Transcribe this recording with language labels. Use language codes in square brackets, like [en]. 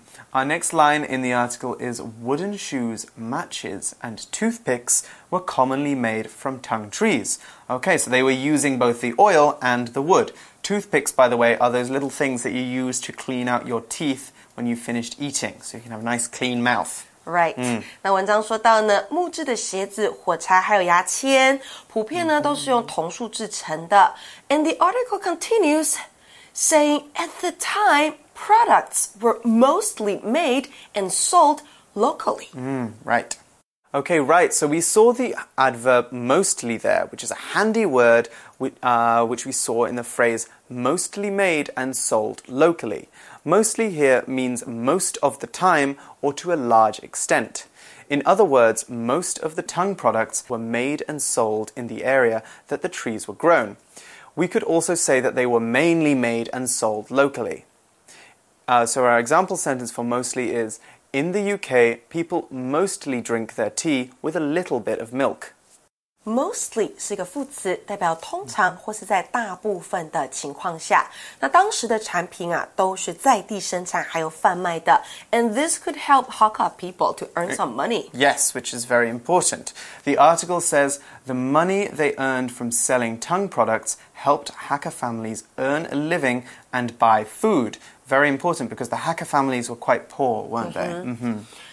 [en] Our next line in the article is wooden shoes, matches, and toothpicks were commonly made from tung trees. Okay, so they were using both the oil and the wood. Toothpicks, by the way, are those little things that you use to clean out your teeth when you've finished eating, so you can have a nice clean mouth. Right. [zh] 那文章说到呢，木质的鞋子、火柴还有牙签，普遍呢都是用桐树制成的。 [en] And the article continues saying, at the time,Products were mostly made and sold locally. Right. Okay, right. So we saw the adverb mostly there, which is a handy word which we saw in the phrase mostly made and sold locally. Mostly here means most of the time or to a large extent. In other words, most of the tung products were made and sold in the area that the trees were grown. We could also say that they were mainly made and sold locally. So our example sentence for mostly is, in the UK, people mostly drink their tea with a little bit of milk. [zh] Mostly 是一个副词，代表通常或是在大部分的情况下。那当时的产品啊，都是在地生产还有贩卖的。 [en] And this could help Hakka people to earn some money. Yes, which is very important. The article says, the money they earned from selling tung products helped Hakka families earn a living and buy food. Very important because the Hakka families were quite poor, weren't they?